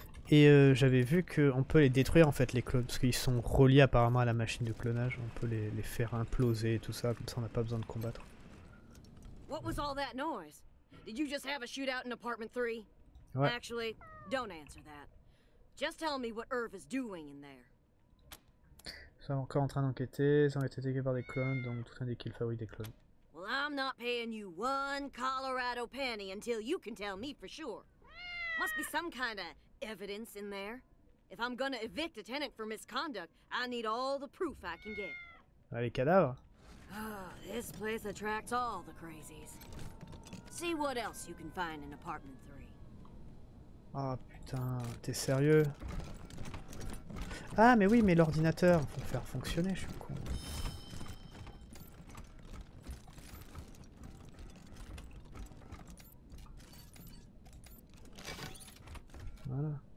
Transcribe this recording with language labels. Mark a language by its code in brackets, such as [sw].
[fr] Et j'avais vu qu'on peut les détruire en fait, les clones, parce qu'ils sont reliés apparemment à la machine de clonage. On peut les faire imploser et tout ça, comme ça on n'a pas besoin de combattre. [en] What was all that noise? Did you just have a shootout in apartment 3? [fr] Ouais. [en] Actually, don't answer that. Just tell me what Irv is doing in there. [fr] Ils sont encore en train d'enquêter, ils ont été dégagés par des clones, donc tout indique qu'ils fabriquent des clones. [en] Well, I'm not paying you one Colorado penny until you can tell me for sure. Must be some kind of evidence in there. If I'm gonna evict a tenant for misconduct, I need all the proof I can get. [fr] Ah, les cadavres. [en] Oh, this place attracts all the crazies. See what else you can find in apartment 3. [fr] Ah, oh, putain, t'es sérieux? Ah, mais oui, mais l'ordinateur, faut le faire fonctionner, je suis con. Voilà.